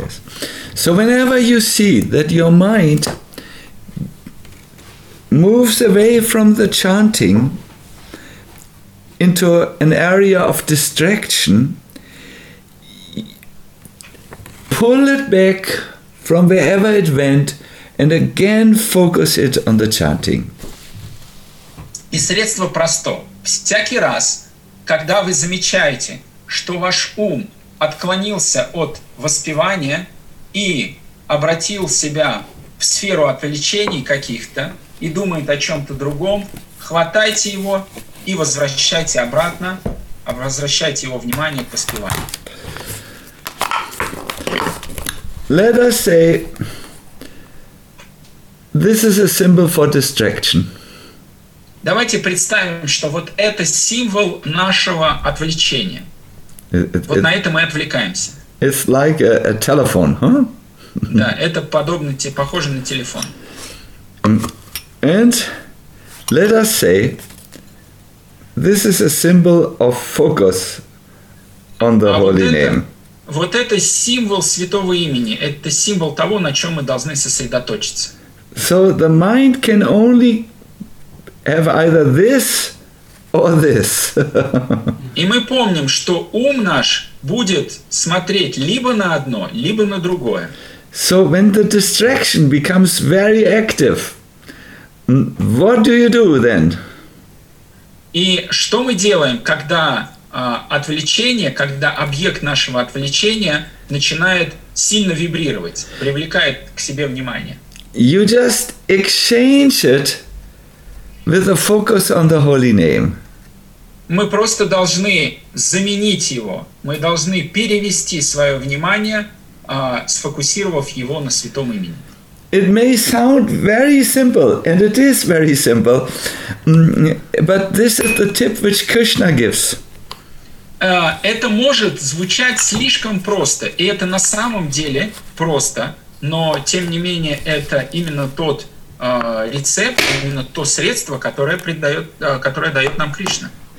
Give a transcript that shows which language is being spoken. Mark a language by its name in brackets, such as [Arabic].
[English] Yes. So whenever you see that your mind moves away from the chanting into an area of distraction, pull it back from wherever it went, and again focus it on the chanting. [Russian] И средство просто. Всякий раз, когда вы замечаете, что ваш ум отклонился от воспевания и обратил себя в сферу отвлечений каких-то и думает о чем-то другом, хватайте его и возвращайте обратно, возвращайте его внимание к воспеванию. [English] Let us say this is a symbol for distraction. [Russian] Давайте представим, что вот это символ нашего отвлечения. Вот на это мы отвлекаемся. [English] It's like a telephone, huh? [Russian] Да, это подобно, похоже на телефон. [English] And let us say this is a symbol of focus on the holy name. [Russian] Вот это символ святого имени. Это символ того, на чем мы должны сосредоточиться. [English] So the mind can only have either this or this. [Russian] И мы помним, что ум наш будет смотреть либо на одно, либо на другое. [English] So when the distraction becomes very active, what do you do then? [Russian] И что мы делаем, когда отвлечение, когда объект нашего отвлечения начинает сильно вибрировать, привлекает к себе внимание. [English] You just exchange it with a focus on the holy name. [Russian] Мы просто должны заменить его. Мы должны перевести свое внимание, сфокусировав его на святом имени. [English] It may sound very simple, and it is very simple, but this is the tip which Krishna gives. [Russian] Это может звучать слишком просто, и это на самом деле просто, но тем не менее это именно тот рецепт, именно то средство, которое дает нам Кришна.